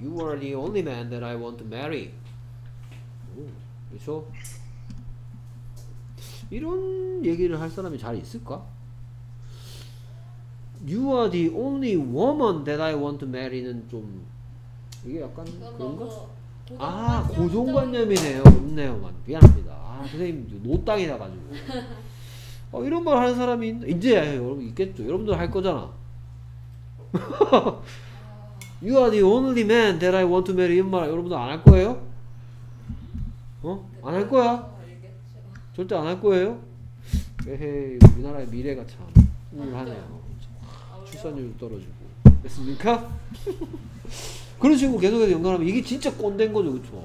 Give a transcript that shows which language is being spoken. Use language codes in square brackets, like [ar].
[en] You are the only man that I want to marry. [ko] 그렇죠? 이런 얘기를 할 사람이 잘 있을까? [en] You are the only woman that I want to marry는 [ko] 좀 이게 약간 그런가? 아 고정관념이네요. 없네요. 미안합니다. 아 선생님 노 땅이다 가지고. 어 이런 말 하는 사람이 이제 여러분 있겠죠. 여러분들 할 거잖아. [en] You are the only man that I want to marry. [ko] 이런 말 여러분들 안 할 거예요? 어? 안 할 거야? 절대 안 할 거예요? 에헤이, 우리나라의 미래가 참 우울하네요. 출산율 떨어지고. 됐습니까? 그런 식으로 계속해서 연관하면 이게 진짜 꼰대인 거죠, 그쵸?